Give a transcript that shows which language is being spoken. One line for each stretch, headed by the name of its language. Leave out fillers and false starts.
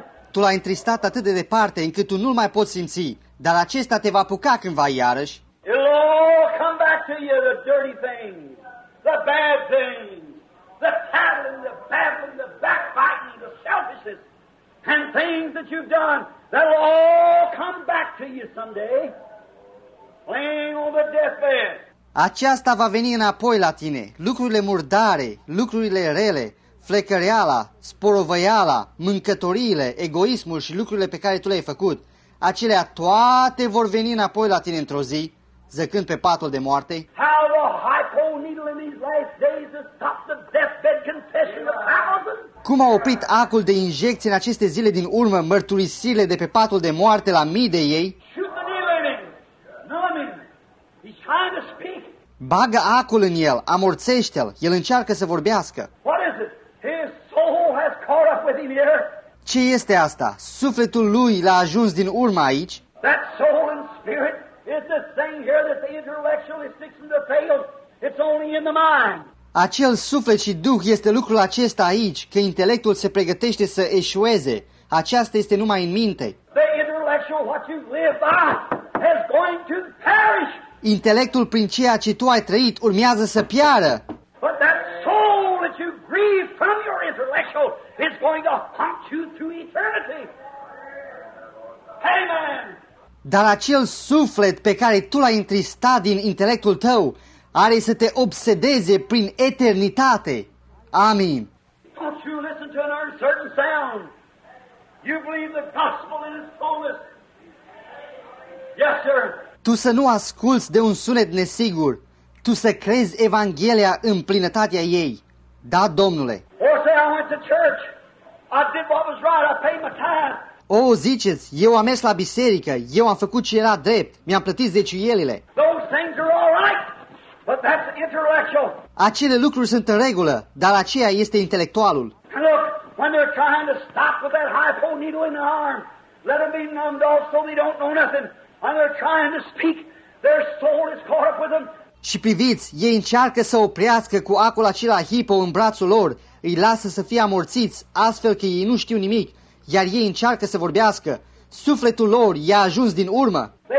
Romanian: Tu l-ai întristat atât de departe încât tu nu-l mai poți simți, dar acesta te va apuca cândva iarăși.
English: It'll all come back to you, the dirty thing. The bad things, the tattling, the babbling, the backbiting, the selfishness, and things that you've done, that'll all come back to you someday, laying on the deathbed.
Romanian: Aceasta va veni înapoi la tine, lucrurile murdare, lucrurile rele, flecăreala, sporovăiala, mâncătoriile, egoismul și lucrurile pe care tu le-ai făcut, acelea toate vor veni înapoi la tine într-o zi, zăcând pe patul de moarte.
English: How the hypo needle in these last days has stopped the deathbed confession of thousands.
Romanian: Cum a oprit acul de injecție în aceste zile din urmă mărturisirile de pe patul de moarte la mii de ei?
English: Shoot the needle in him. Numbing. He's trying to speak.
Romanian: Bagă acul în el, amorțește-l, el încearcă să vorbească.
English: What is it? His soul has caught up with him here.
Romanian: Ce este asta? Sufletul lui l-a ajuns din urmă aici?
English: That soul and spirit. It's this thing here that the intellectual is fixing to fail. It's only in the mind.
Romanian: Acel suflet și duh este lucrul acesta aici, că intelectul se pregătește să eșueze. Aceasta este numai în minte.
English: The intellectual, what you live by, is going to perish.
Romanian: Intelectul prin ceea ce tu ai trăit urmează să piară.
English: But that soul that you grieve from your intellectual is going to haunt you through eternity. Amen.
Romanian: Dar acel suflet pe care tu l-ai întristat din intelectul tău are să te obsedeze prin eternitate. Amin.
English: Don't you listen to an uncertain sound? You believe the gospel in its fullness? Yes, sir.
Romanian: Tu să nu asculți de un sunet nesigur. Tu să crezi Evanghelia în plinătatea ei. Da, Domnule.
English: Or say, I went to church. I did what was right. I paid my tithe.
Romanian: O, ziceți, eu am mers la biserică, eu am făcut ce era drept, mi-am plătit zeciuielile.
English: Those things are all right, but that's intellectual.
Romanian: Acele lucruri sunt în regulă, dar aceea este intelectualul.
English: Look, when they're trying to stop with that hypo needle in the arm, let them be numbed off so they don't know nothing. When they're trying to speak, their soul is caught up with them.
Romanian: Și priviți, ei încearcă să oprească cu acul acela hipo în brațul lor, îi lasă să fie amorțiți, astfel că ei nu știu nimic, iar ei încearcă să vorbească. Sufletul lor i-a ajuns din urmă.